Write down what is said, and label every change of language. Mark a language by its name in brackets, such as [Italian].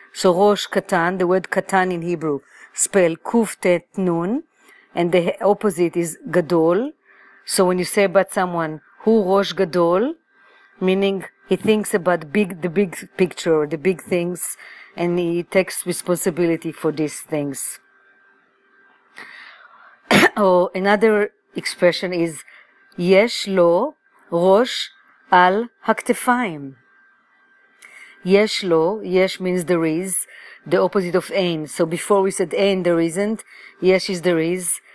[English] So ראש קטן, the word קטן in Hebrew, spell קוף תת נון, and the opposite is גדול. So when you say about someone, הוא ראש גדול, meaning he thinks about big, the big picture, the big things, and he takes responsibility for these things. [Hebrew] Or another expression is יש לו ראש על הכתפיים. [English] יש לו, יש means there is, the opposite of אין. So before we said אין, there isn't, yes is there is.